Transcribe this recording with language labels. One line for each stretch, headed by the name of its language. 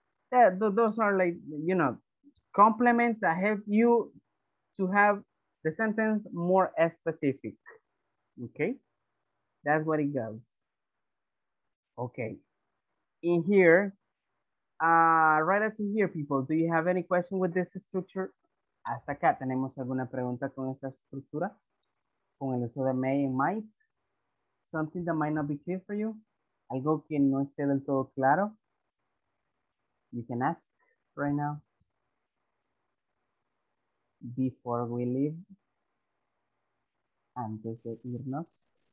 English: Those are like, you know, complements that help you to have the sentence more specific, okay? That's what it goes. Okay. In here... right up to here, people. Do you have any question with this structure?
Spanish: Hasta acá, ¿tenemos alguna pregunta con esta estructura? Con el uso de may and might?
English: Something that might not be clear for you?
Spanish: Algo que no esté del todo claro?
English: You can ask right now. Before we leave.
Spanish: Antes de irnos.